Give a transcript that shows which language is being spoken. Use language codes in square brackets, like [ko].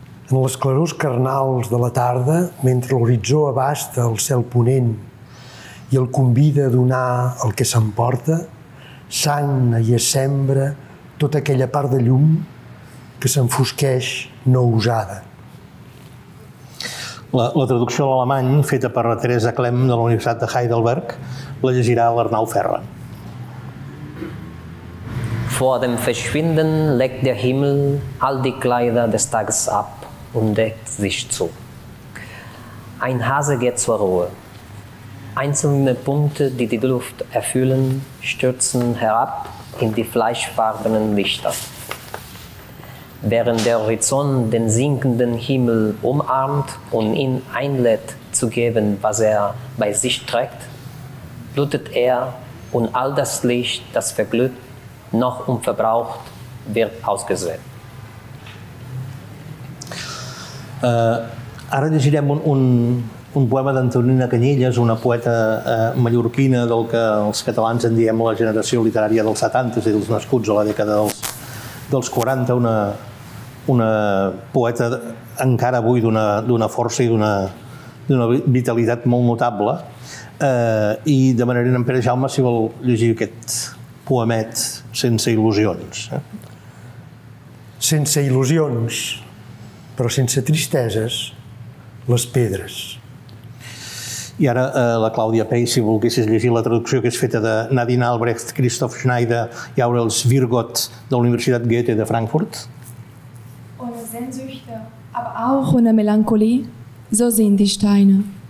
[ca] En les clarors carnals de la tarda, mentre l'horitzó abasta el cel ponent i el convida a donar el que s'emporta, sagna i assembra tota aquella part de llum que s'enfosqueix no usada. La traducció a l'alemany, feta per la Teresa Klemm de la Universitat de Heidelberg, la llegirà l'Arnau Ferra. [de] Vor dem Verschwinden legt der Himmel all die Kleider des Tages ab und deckt sich zu. Ein Hase geht zur Ruhe. Einzelne Punkte, die die Luft erfüllen, stürzen herab in die fleischfarbenen Lichter. Während der Horizont den sinkenden Himmel umarmt und ihn einlädt zu geben, was er bei sich trägt, blutet er und all das Licht, das verglüht, noch unverbraucht, wird ausgesät. [ca] Ara llegirem un poema d'Antonina Canyelles, una poeta mallorquina del que els catalans en diem la generació literària dels 70, és a dir, els nascuts a la dècada dels 40, una poeta encara avui d'una força i d'una vitalitat molt notable. I demanaré en Pere Jaume si vol llegir aquest poemet Sense il·lusions. Sense il·lusions, però sense tristeses, les pedres. I ara la Clàudia Pei, si volguessis llegir la traducció que és feta de Nadine Albrecht, Christoph Schneider i Aurels Virgot de la Universitat Goethe de Frankfurt. [de] Ohne Sehnsüchte, aber auch ohne Melancholie, so sehen die Steine.